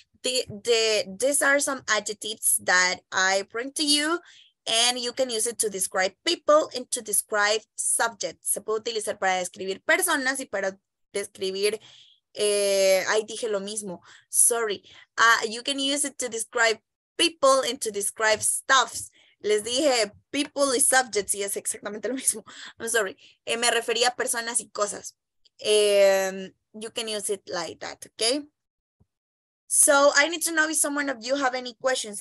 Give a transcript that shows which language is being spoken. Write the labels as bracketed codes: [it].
[en] These are some adjectives that I bring to you. And you can use it to describe people and to describe subjects. [es] Se puede utilizar para describir personas y para describir, ahí dije lo mismo, sorry. [en] You can use it to describe people and to describe stuffs. [es] Les dije people y subjects y es exactamente lo mismo. [en] I'm sorry. [es] Me refería a personas y cosas. [en] You can use it like that, okay? So I need to know if someone of you have any questions.